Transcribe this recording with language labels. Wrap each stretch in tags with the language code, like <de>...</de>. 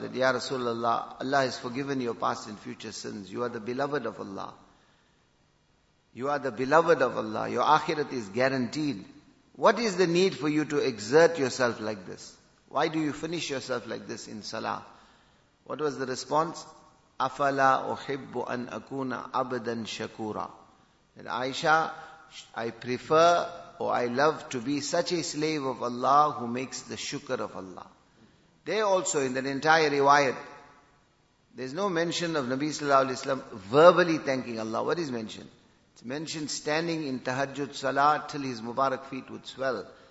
<en>That, Ya Rasulullah, Allah has forgiven your past and future sins. You are the beloved of Allah. You are the beloved of Allah. Your akhirat is guaranteed. What is the need for you to exert yourself like this? Why do you finish yourself like this in salah? What was the response?</en> <ar>أَفَلَا أُحِبُّ أَنْ أَكُونَ عَبْدًا شَكُورًا.</ar> <en>And Aisha, I prefer or I love to be such a slave of Allah who makes the shukr of Allah. There also in that entire riwayat, there's no mention of Nabi sallallahu alayhi wa sallam verbally thanking Allah. What is mentioned? It's mentioned standing in tahajjud salah till his mubarak feet would swell.</en>